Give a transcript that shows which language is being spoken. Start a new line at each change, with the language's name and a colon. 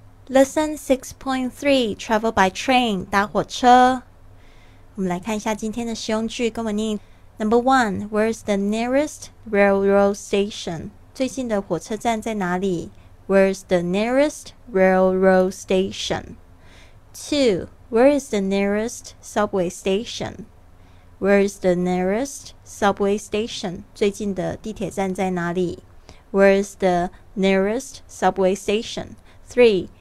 English: Lesson 6.3 Travel by train
Chinese: 搭火车。我们来看一下今天的实用句，跟我念。
English: Number one, where's the nearest railroad station?
Chinese: 最近的火车站在哪里？
English: Where's the nearest railroad station? Two, where is the nearest subway station? Where's the nearest subway station?
Chinese: 最近的地铁站在哪里？
English: Where's the nearest subway station? Three。